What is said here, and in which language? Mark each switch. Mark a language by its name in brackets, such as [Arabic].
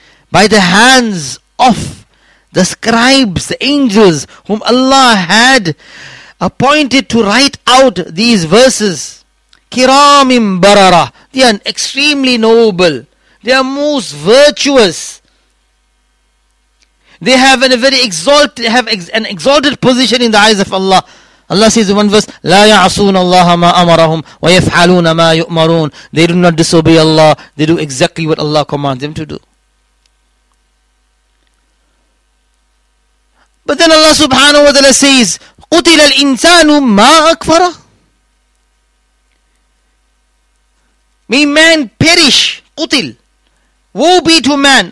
[English] By the hands of the scribes, the angels whom Allah had appointed to write out these verses. [Arabic] كِرَامٍ بَرَرَةٍ. [English] They are extremely noble. They are most virtuous. They have an exalted position in the eyes of Allah. Allah says in one verse, [Arabic] لَا يَعْصُونَ اللَّهَ مَا أَمَرَهُمْ وَيَفْحَلُونَ مَا يُؤْمَرُونَ. [English] They do not disobey Allah. They do exactly what Allah commands them to do. But then Allah subhanahu wa ta'ala says, [Arabic] قُتِلَ الْإِنسَانُ مَا أَكْفَرَ. [English] May man perish. قُتِل. Woe be to man.